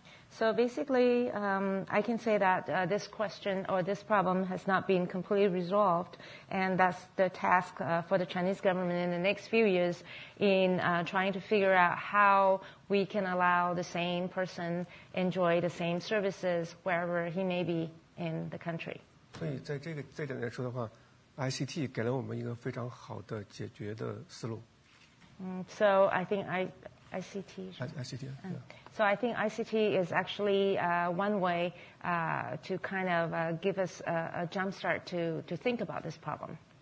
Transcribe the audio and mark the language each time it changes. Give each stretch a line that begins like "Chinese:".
English: So basically, I can say that this question or this problem has not been completely resolved, and that's the task for the Chinese government in the next few years in trying to figure out how we can allow the same person enjoy the same services wherever he may be in the country.
Chinese: 所以在这个这点来说的话 ，ICT 给了我们一个非常好的解决的思路。
English: So I think ICT. ICT. Yeah. So I think ICT is actually one way to kind of give us a jump start to think about this problem.